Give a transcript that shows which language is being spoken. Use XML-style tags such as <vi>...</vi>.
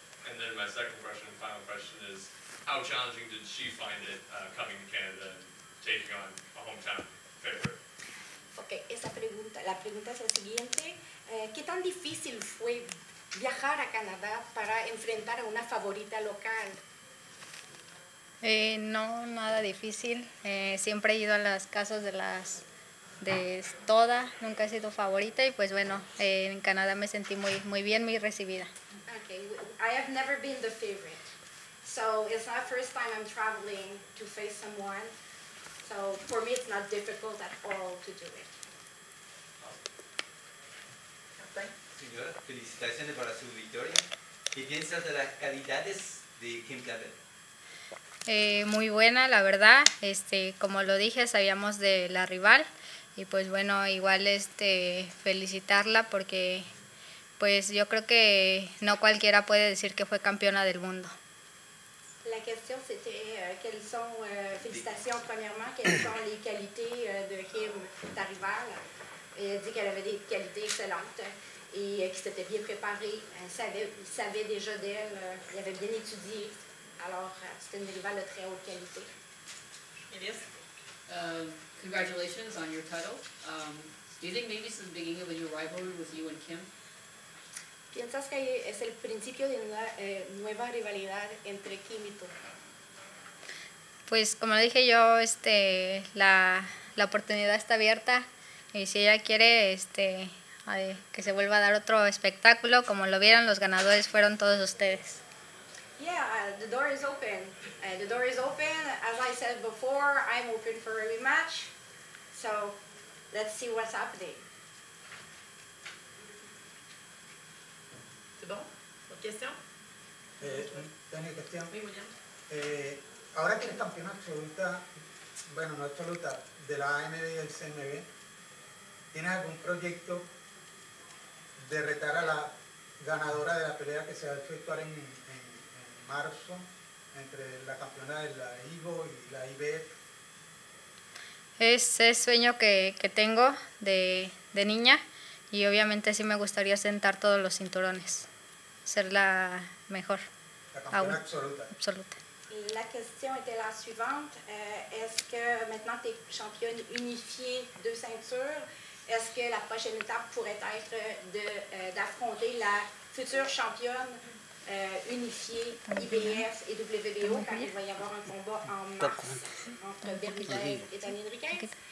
<en>And then my second question, final question is, how challenging did she find it coming to Canada and taking on a hometown favorite?</en> <es>Okay, esa pregunta, la pregunta es la siguiente. ¿Qué tan difícil fue viajar a Canadá para enfrentar a una favorita local? No, nada difícil. Siempre he ido a las casas de toda, nunca he sido favorita y pues bueno, en Canadá me sentí muy, muy bien, muy recibida.</es> <en>Okay, I have never been the favorite. So it's not the first time I'm traveling to face someone. So for me it's not difficult at all to do it.</en> <es>Señor, felicitaciones para su victoria. ¿Qué piensas de las calidades de Kim Clavel? Muy buena, la verdad. Como lo dije, sabíamos de la rival. Y pues bueno, igual felicitarla porque pues yo creo que no cualquiera puede decir que fue campeona del mundo. La cuestión</es> <fr>c'était, ¿quelles son,</fr> <es>felicitaciones,</es> <fr>premièrement, ¿quelles son les qualités de Kim, ta rival? Elle dit qu'elle avait des qualités excellentes et qui s'était bien préparée. Il savait déjà d'elle, il avait bien étudié. Alors, c'était une rivale de très haute qualité.</fr> <en>Elias, congratulations on your title. Do you think maybe this is the beginning of a new rivalry with you and Kim?</en> <es>¿Piensas que es el principio de una nueva rivalidad entre Kim y tú? Pues como dije yo, la oportunidad está abierta y si ella quiere que se vuelva a dar otro espectáculo, como lo vieron, los ganadores fueron todos ustedes.</es> <en>Yeah, the door is open. The door is open. As I said before, I'm open for every match. So, let's see what's happening.</en> <fr>C'est bon? Autre question? Dernière question. Oui, William.</fr> <es>Ahora que eres campeona absoluta, bueno, no absoluta, de la AMB y el CMB, ¿tienes algún proyecto de retar a la ganadora de la pelea que se va a efectuar en marzo entre la campeona de la IBO y la IBF? Ese es sueño que tengo de niña y obviamente sí me gustaría sentar todos los cinturones, ser la mejor. La campeona absoluta. Absoluta.</es> <fr>La question était la suivante, est-ce que maintenant tu es championne unifiée de ceinture, est-ce que la prochaine étape pourrait être d'affronter la future championne unifiée IBF et WBO, car il va y avoir un combat en mars entre Berthez et Tania Henriquez?</fr>